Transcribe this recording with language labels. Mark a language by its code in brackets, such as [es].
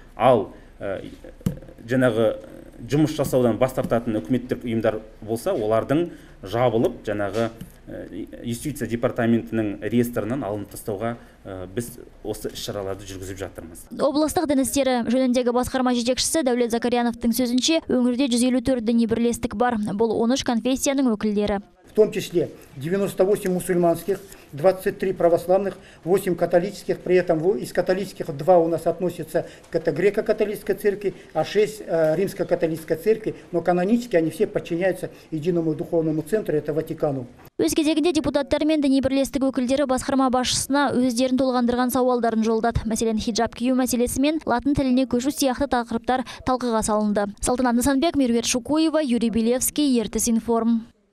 [kk] Ал жаңағы жұмыс жасаудан бас тартатын үкіметтік ұйымдар болса, олардың жабылып жаңағы юстиция департаментінің реестрінен алынып тастауға біз осы іс-шараларды жүргізіп жатырмыз. Облыстық дін істері жөніндегі басқарма жетекшісі Дәулет Закаряновтың сөзінше, өңірде 154 діни бірлестік бар. Бұл 13 конфессияның өкілдері. [ru] В том числе 98 мусульманских, 23 православных, 8 католических, при этом из католических 2 у нас относятся к греко-католической церкви, а 6 римско-католической церкви, но канонически они все подчиняются единому духовному центру, это Ватикану. [kk] Өз кезегінде депутаттар мен діни бірлестік өкілдері басқарма басшысына өздерін толғандырған сауалдарын жолдады. Мәселен, хиджаб кию мәселесі мен латын тіліне көшу сияқты тақырыптар талқыға салынды. Салтанат Нысанбек, Меруерт Шукуева, Юрий Белевский, Ертіс-Информ.